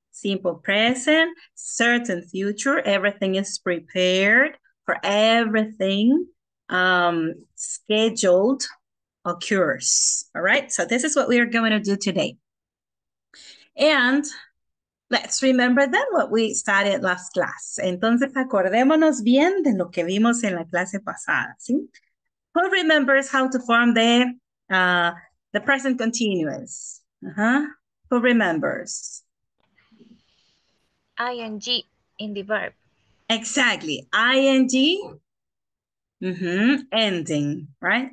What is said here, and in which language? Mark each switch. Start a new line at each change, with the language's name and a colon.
English: Simple present, certain future, everything is prepared for everything, scheduled occurs, all right? So this is what we are going to do today. And let's remember then what we studied last class.
Spanish: Entonces, acordémonos bien de lo que vimos en la clase pasada, ¿sí?
English: Who remembers how to form the present continuous? Who remembers? ING in the verb. Exactly. ING, ending, right?